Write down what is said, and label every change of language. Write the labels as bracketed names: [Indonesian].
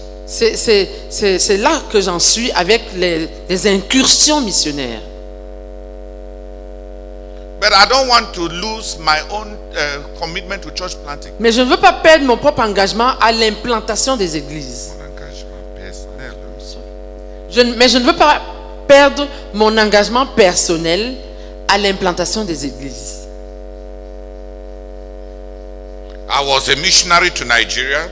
[French] C'est là que j'en suis avec les incursions missionnaires. [English] But I don't want to lose my own commitment to church planting. [French] Mais je ne veux pas perdre mon propre engagement à l'implantation des églises. Mon engagement personnel. Je ne veux pas perdre mon engagement personnel à l'implantation des églises. [English] I was a missionary to Nigeria.